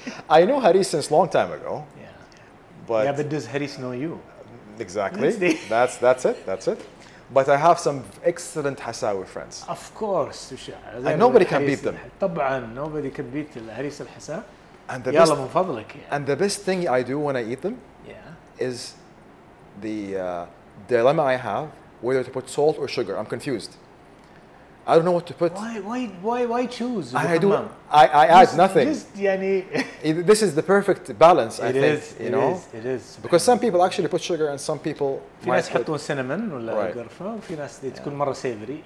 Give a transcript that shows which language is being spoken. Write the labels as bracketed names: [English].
[English] I knew haris since long time ago. But yeah, but does haris know you? Exactly. That's it. But I have some excellent hasawi friends. Of course, [Arabic] تشعر. [English] And nobody can beat them. [Arabic] طبعاً, [English] nobody can beat الحريس الحساء. [Arabic] يلا من فضلك. [English] And the best thing I do when I eat them yeah. is the dilemma I have whether to put salt or sugar. I'm confused. I don't know what to put. Why choose? I add nothing. This is the perfect balance, I think. It is. Because some people actually put sugar and some people [Arabic] في ناس يحطون cinnamon ولا قرفة وفي ناس تكون مرة savory.